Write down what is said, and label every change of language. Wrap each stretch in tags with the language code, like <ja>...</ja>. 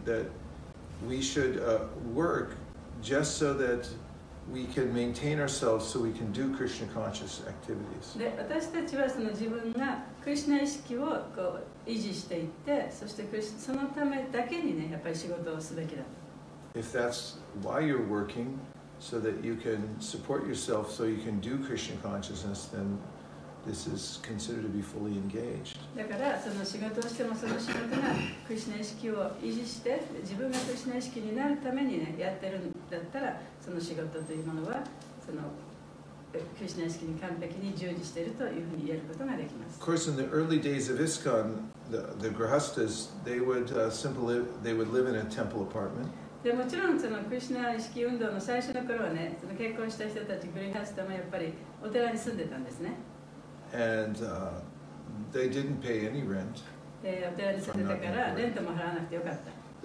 <en>That we should work just so that we can maintain ourselves so we can do Krishna conscious activities.</en> <ja>で、私たちはその自分がクリスナ意識をこう維持していって、そしてそのためだけにね、やっぱり仕事をすべきだ。</ja> <en>If that's why you're working,So that you can support yourself, so you can do Krishna consciousness, then this is considered to be fully engaged.</en> <ja>だからその仕事をしてもその仕事がクリスナ意識を維持して自分がクリスナ意識になるためにねやってるんだったらその仕事というものはそのクリスナ意識に完璧に従事しているというふうに言えることができます。</ja> <en>Of course, in the early days of ISKCON, the grihasthas they would live in a temple apartment.</en> <ja>でもちろんそのクリシナ意識運動の最初の頃はね、その結婚した人たちグリハスタもやっぱりお寺に住んでたんですね。</ja> <en>And they didn't pay any rent.</en> <ja>お寺に住んでたからレントも払わなくてよかった。</ja>